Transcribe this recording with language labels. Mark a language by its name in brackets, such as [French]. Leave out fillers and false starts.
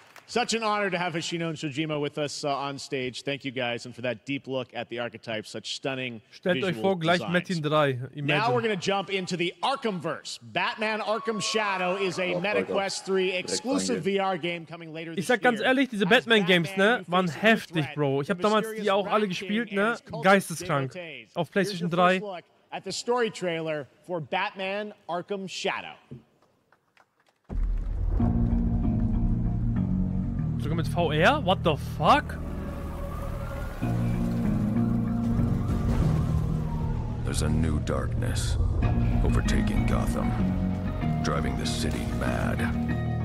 [English] Such an honor to have Hoshino and Shojima with us on stage. Thank you guys, and for that deep look at the archetypes, such stunning [German] Stellt [English] visual [German] euch vor, gleich [English] designs. Metin 3, imagine. Now we're going to jump into the Arkhamverse. Batman Arkham Shadow is a MetaQuest 3 exclusive VR game coming later this year. [German] Ich sag ganz ehrlich, diese Batman Games, ne, waren heftig, Bro. Ich habe damals die auch alle gespielt, ne, geisteskrank, auf PlayStation 3. [English] Here's your first look at the story trailer for Batman Arkham Shadow. [German] Sogar mit VR? [English] What the fuck? There's a new darkness overtaking Gotham, driving the city mad.